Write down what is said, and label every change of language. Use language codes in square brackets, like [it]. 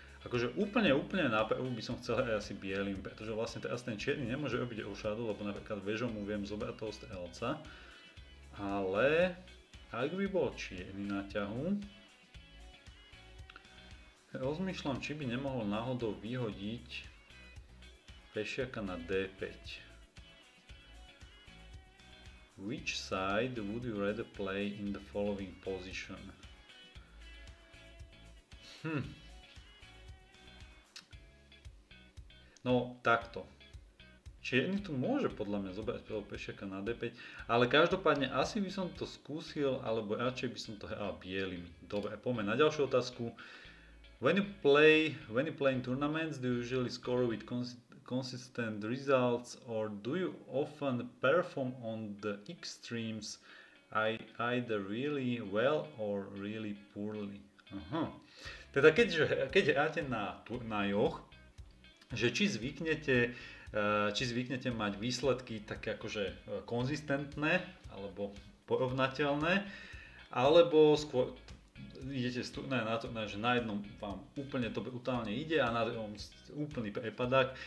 [sk] Akože úplne na prvú by som chcel hrať asi bielým, pretože vlastne teraz ten čierny nemôže robiť rošádu, lebo napríklad vežom mu viem zobrať toho strelca. Ale ak by bol čierny na ťahu, rozmýšľam, či by nemohol náhodou vyhodiť pešiaka na d5. [en] Which side would you rather play in the following position? [sk] No, takto. Čierny tu môže podľa mňa zobrať toho pešiaka na d5, ale každopádne asi by som to skúsil, alebo radšej by som to hral bielými. Dobre, poďme na ďalšiu otázku. [en] When you play in tournaments, do you usually score with consistent results, or do you often perform on the extremes, either really well or really poorly? [sk] Teda keď hráte na turnajoch, že či zvyknete mať výsledky také akože konzistentné alebo porovnateľné, alebo skôr idete z turnaja na turnaj, že na jednom vám úplne to brutálne ide a na druhom úplný prepadák.